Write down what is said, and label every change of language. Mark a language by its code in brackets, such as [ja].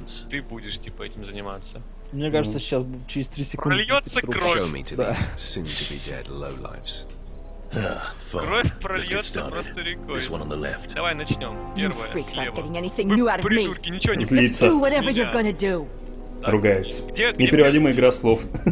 [ru] Ты будешь типа этим заниматься. Мне кажется, сейчас через 3 секунды... Прольется кровь! [en] Show me to these soon to be dead low lives. [ru] Кровь прольется просто рекой. [en] This one on the left. [ru] Давай начнем. Первая, слева. Вы придурки, ничего не злится. Ругается. Непереводимая игра слов.